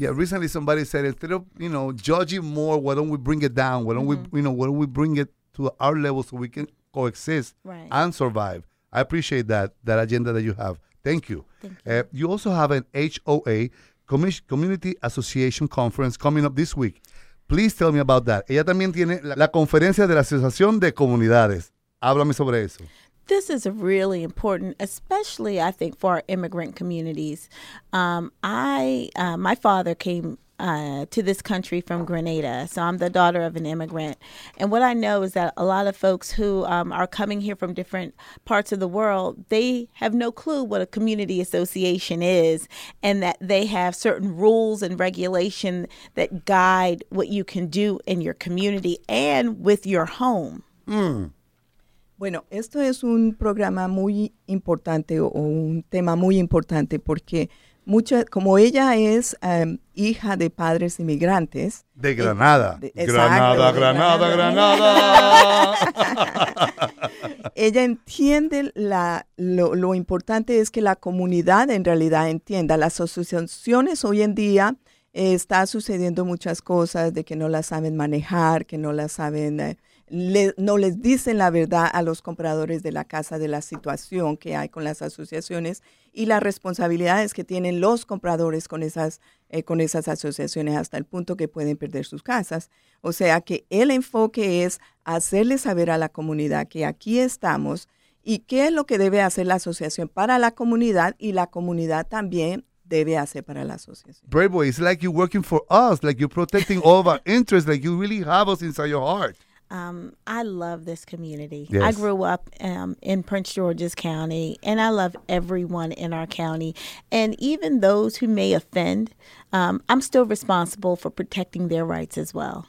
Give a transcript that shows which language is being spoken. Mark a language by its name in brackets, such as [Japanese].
[English] Yeah, recently somebody said, instead of, you know, judging more, why don't we bring it down? Why don't we, you know, why don't we bring it to our level so we can coexist and survive? I appreciate that agenda that you have. Thank you. Thank you. You also have an HOA, Community Association Conference, coming up this week. Please tell me about that. [Spanish] Ella también tiene la conferencia de la Asociación de Comunidades. Háblame sobre eso. [English] This is really important, especially, I think, for our immigrant communities. My father came to this country from Grenada, so I'm the daughter of an immigrant. And what I know is that a lot of folks who are coming here from different parts of the world, they have no clue what a community association is, and that they have certain rules and regulation that guide what you can do in your community and with your home. [Spanish] Bueno, esto es un programa muy importante o un tema muy importante porque como ella es hija de padres inmigrantes. De Granada. Granada. Ella entiende lo importante es que la comunidad en realidad entienda. Las asociaciones hoy en día está sucediendo muchas cosas de que no las saben manejar, que no las saben... no les dicen la verdad a los compradores de la casa de la situación que hay con las asociaciones y las responsabilidades que tienen los compradores con esas asociaciones hasta el punto que pueden perder sus casas. O sea que el enfoque es hacerle saber a la comunidad que aquí estamos y qué es lo que debe hacer la asociación para la comunidad y la comunidad también debe hacer para la asociación. [English] Brave Boy, it's like you're working for us, like you're protecting all of our interests, like you really have us inside your heart. I love this community. Yes. I grew up in Prince George's County, and I love everyone in our county. And even those who may offend, I'm still responsible for protecting their rights as well.